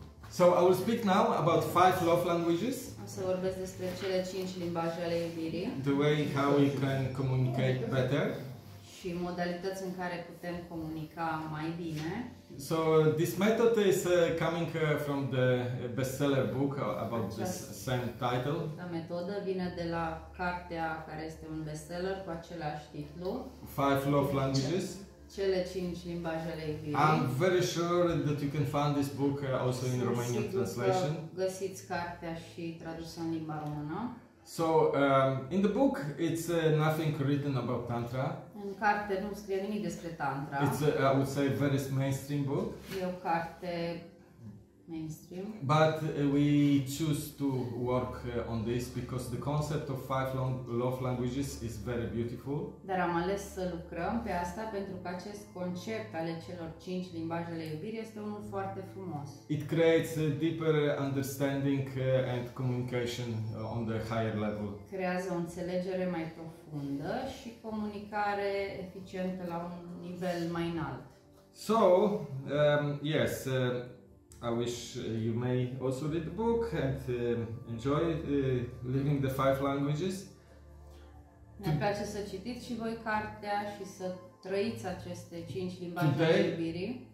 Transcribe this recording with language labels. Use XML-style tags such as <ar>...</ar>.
<en>So, I will speak now about five love languages.</en> <ro>O să vorbesc despre cele cinci limbaje ale iubirii.</ro> <en>The way how we can communicate better.</en> <ro>Și modalități în care putem comunica mai bine.</ro> <en>So, this method is coming from the bestseller book about this same title.</en> <ro>La metodă vine de la cartea care este un bestseller cu același titlu.</ro> <en>Five Love Languages.</en> <ro>Cele cinci limbaje ale iubirii.</ro> <en>I'm very sure that you can find this book also in Romanian translation.</en> <ro>Găsiți cartea și tradusă în limba română.</ro> <en>So, in the book, it's nothing written about Tantra.</en> <ro>În carte nu scrie nimic despre Tantra.</ro> <en>It's, I would say, a very mainstream book.</en> <ro>E o carte mainstream.</ro> <en>But we choose to work on this because the concept of five love languages is very beautiful.</en> <ro>Dar am ales să lucrăm pe asta pentru că acest concept ale celor cinci limbaje ale iubirii este unul foarte frumos.</ro> <en>It creates a deeper understanding and communication on the higher level.</en> <ro>Creează o înțelegere mai profundă și comunicare eficientă la un nivel mai înalt.</ro> <en>So, yes, I wish you may also read the book and enjoy living the five languages.</en> <ro>Mi-ar place să citiți și voi cartea și să trăiți aceste cinci limbaje ale iubirii.</ro>